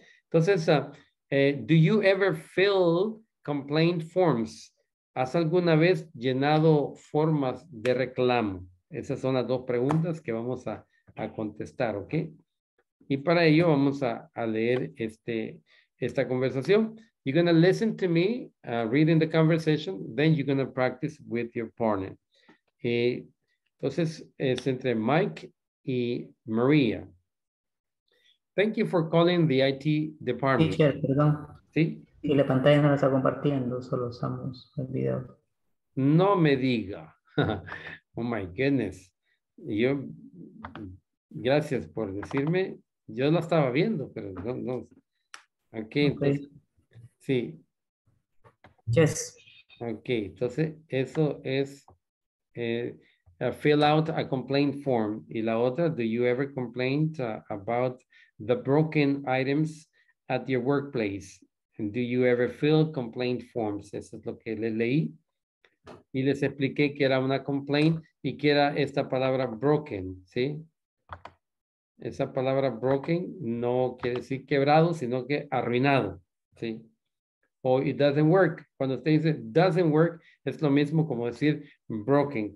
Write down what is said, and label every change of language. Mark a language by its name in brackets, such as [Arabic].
[English] Entonces, do you ever fill complaint forms? [Spanish] ¿Has alguna vez llenado formas de reclamo? Esas son las dos preguntas que vamos a contestar, ¿ok? Y para ello vamos a leer esta conversación. [English] You're going to listen to me reading the conversation, then you're going to practice with your partner. [Spanish] Entonces, es entre Mike y Maria. [English] Thank you for calling the IT department. [Spanish] Teacher, perdón. Sí. Y la pantalla no la está compartiendo, solo usamos el video. No me diga. [English] Oh my goodness. [Spanish] Yo, gracias por decirme. Yo la estaba viendo, pero no. Aquí, okay. Entonces. Sí. [English] Yes. Ok, [Spanish] entonces eso es [English] fill out a complaint form. [Spanish] Y la otra, [English] do you ever complain about the broken items at your workplace? And do you ever fill complaint forms? [Spanish] Eso es lo que le leí. Y les expliqué que era una complaint y que era esta palabra broken, ¿sí? Esa palabra broken no quiere decir quebrado, sino que arruinado, ¿sí? O [English] it doesn't work. [Spanish] Cuando usted dice doesn't work, es lo mismo como decir broken.